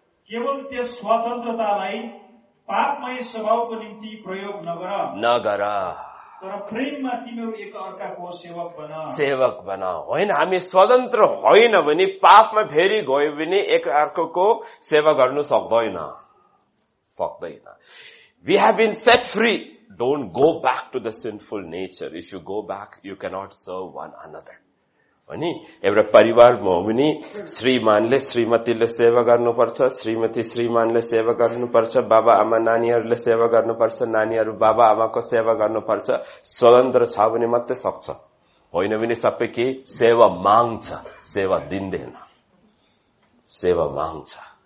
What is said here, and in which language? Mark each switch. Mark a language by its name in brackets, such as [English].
[Nepali] केवल त्यस स्वतन्त्रतालाई पापमय स्वभावको निम्ति प्रयोग नगर, नगर, तर प्रेममा तिमीहरू एक अर्काको सेवक बन, सेवक बन, होइन हामी स्वतन्त्र होइन भने पापमा फेरि गयो भने एक अर्काको सेवा गर्नु सक्दैन, सक्दैन. [English] We have been set free. Don't go back to the sinful nature. If you go back, you cannot serve one another. [Nepali] अनि एउटा परिवारमा हो भने श्रीमानले श्रीमतीले सेवा गर्नुपर्छ, श्रीमती श्रीमानले सेवा गर्नुपर्छ, बाबा आमा नानीहरूले सेवा गर्नुपर्छ, नानीहरू बाबा आमाको सेवा गर्नुपर्छ. स्वतन्त्र छ भने मात्रै सक्छ, होइन भने सबै के सेवा माग्छ, सेवा दिँदैन, सेवा माग्छ.